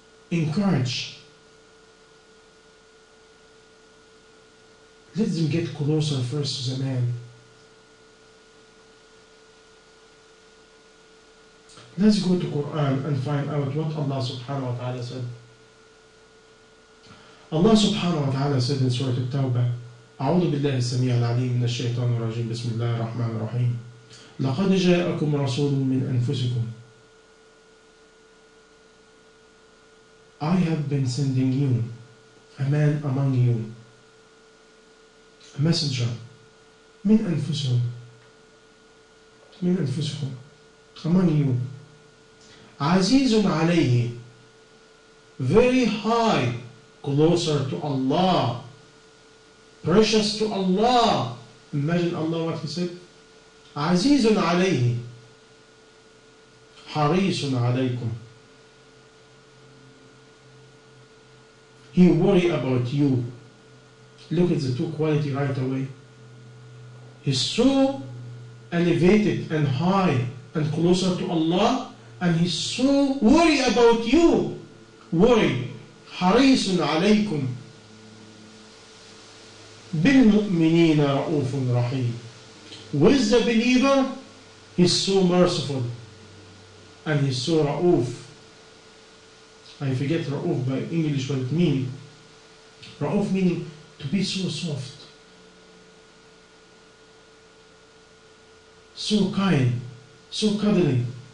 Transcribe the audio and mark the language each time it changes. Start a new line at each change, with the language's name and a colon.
English: Encourage. Let them get closer first to the man. Let's go to Quran and find out what Allah subhanahu wa ta'ala said. Allah subhanahu wa ta'ala said in Surah At-Tawbah,
Arabic: أعوذ بالله السميع العليم من الشيطان الرجيم بسم الله الرحمن الرحيم لقد جاءكم رسول من أنفسكم.
English: I have been sending you a man among you, a messenger,
Arabic: من أنفسكم, من أنفسكم,
English: among you,
Arabic: عزيز عليه,
English: very high, closer to Allah, precious to Allah. Imagine Allah what he said.
Arabic: عزيز عليه حريص عليكم.
English: He worry about you. Look at the two quality right away. He's so elevated and high and closer to Allah, and he's so worry about you. Worry.
Arabic: حريص عليكم بالمؤمنين رؤوف رحيم.
English: With the believer, he's so merciful and he's so رؤوف. I forget رؤوف by English what it means. رؤوف meaning to be so soft, so kind, so cuddling.